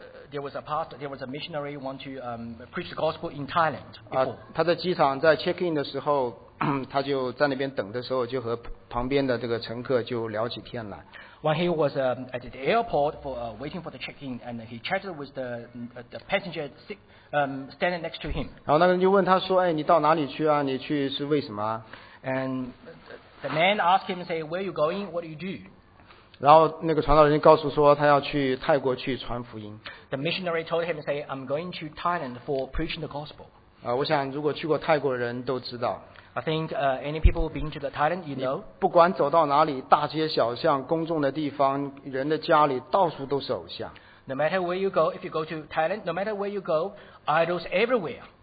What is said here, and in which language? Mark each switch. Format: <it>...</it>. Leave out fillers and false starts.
<en>There was a missionary who wanted to preach the gospel in Thailand before.</en> <zh>他在机场在 check in 的时候, 他就在那边等的时候就和旁边的这个乘客就聊起天来。</zh> <en>When he was at the airport for waiting for the check-in, and he chatted with the passenger standing next to him.</en> <zh>然后那个人就问他说, 哎, 你到哪里去啊?你去是为什么啊?</zh> <en>And the man asked him, say, where are you going? What do you do?</en> <zh>然后那个传道人告诉说他要去泰国去传福音。</zh> <en>The missionary told him, say, I'm going to Thailand for preaching the gospel.</en> <zh>我想如果去过泰国的人都知道。</zh> <en>I think any people who've been to the Thailand, you know.</en> <zh>不管走到哪里,大街小巷,公众的地方,人的家里,到处都是偶像。</zh> <en>No matter where you go, if you go to Thailand, no matter where you go, idols everywhere.</en>